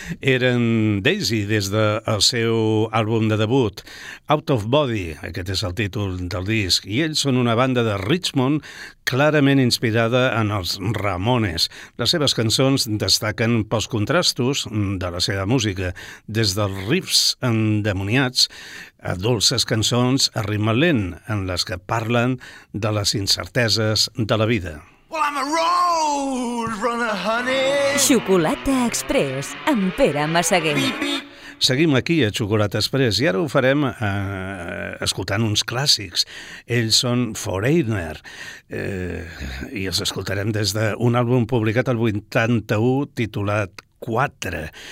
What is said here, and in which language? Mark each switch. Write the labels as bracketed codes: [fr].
[ca] Eren Daisy des del seu àlbum de debut, Out of Body, aquest és el títol del disc, i ells són una banda de Richmond clarament inspirada en els Ramones. Les seves cançons destaquen pels contrastos de la seva música, des dels riffs endemoniats a dolces cançons a ritme lent, en les que parlen de les incerteses de la vida. [en] Well, I'm a road runner, honey. [ca] Xocolata Express, amb Pere Massaguer. Seguim aquí a Xocolata Express i ara ho farem escoltant uns clàssics. Ells són Foreigner i els escoltarem des d'un àlbum publicat el 81 titulat 4.